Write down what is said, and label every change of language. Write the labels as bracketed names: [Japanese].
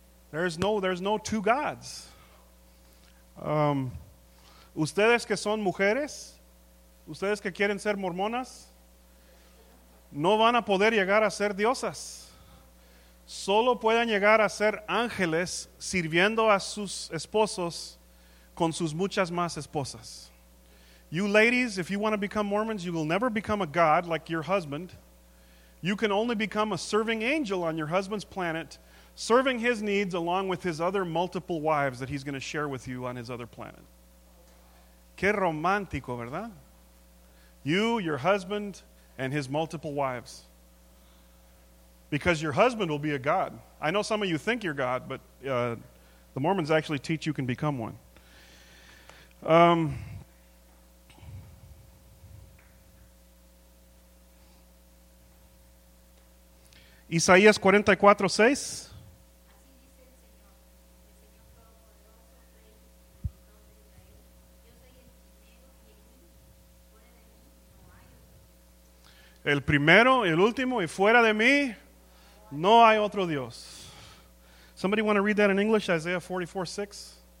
[English] There's no two gods. [Spanish] Ustedes que son mujeres, ustedes que quieren ser mormonas, no van a poder llegar a ser diosas. Solo pueden llegar a ser ángeles sirviendo a sus esposos con sus muchas más esposas. [English] You ladies, if you want to become Mormons, you will never become a god like your husband. You can only become a serving angel on your husband's planet, serving his needs along with his other multiple wives that he's going to share with you on his other planet. [Spanish] Qué romántico, ¿verdad? [English] You, your husband, and his multiple wives. Because your husband will be a god. I know some of you think you're God, but the Mormons actually teach you can become one. [Spanish] Isaías 44:6. El primero, el último, y fuera de mí, no hay otro Dios. [English] Somebody want to read that in English, Isaiah 44:6?